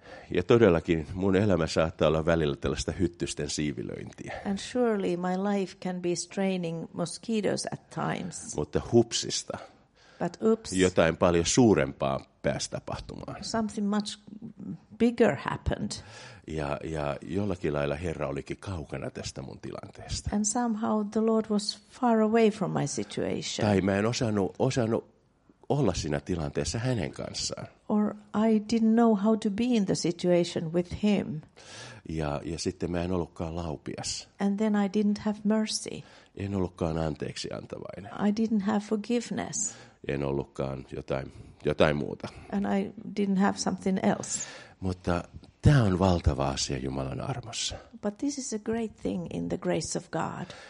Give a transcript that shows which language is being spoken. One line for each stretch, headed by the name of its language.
Finnish: Ja todellakin mun elämä saattaa olla välillä tällaista hyttysten siivilöintiä.
English: And surely my life can be straining mosquitoes at times.
Finnish: Mutta hupsista.
English: But oops.
Finnish: Jotain paljon suurempaa pääsi tapahtumaan.
English: Something much bigger happened.
Finnish: Ja jollakin lailla Herra olikin kaukana tästä mun tilanteesta.
English: And somehow the Lord was far away from my situation.
Finnish: Tai mä en osannut olla siinä tilanteessa hänen kanssaan.
English: Or I didn't know how to be in the situation with him.
Finnish: Ja sitten mä en ollutkaan laupias.
English: And then I didn't have mercy.
Finnish: En ollutkaan anteeksi antavainen.
English: I didn't have forgiveness.
Finnish: En ollutkaan jotain muuta.
English: And I didn't have something else.
Finnish: Mutta tämä on valtava asia Jumalan armossa.
English: But this is a great thing in the grace of God.